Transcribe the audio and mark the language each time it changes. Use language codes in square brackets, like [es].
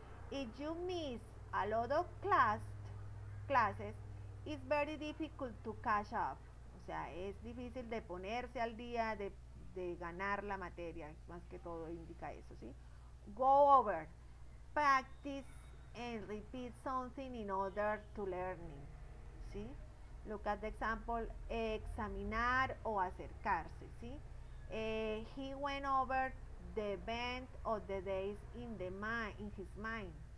[en] If you miss a lot of classes, it's very difficult to catch up. [es] O sea, es difícil de ponerse al día, de ganar la materia. Más que todo indica eso, ¿sí? [en] Go over. Practice and repeat something in order to learning. [es] ¿Sí? [en] Look at the example. [es] Examinar o acercarse, ¿sí? [en] He went over the event of the days in his mind.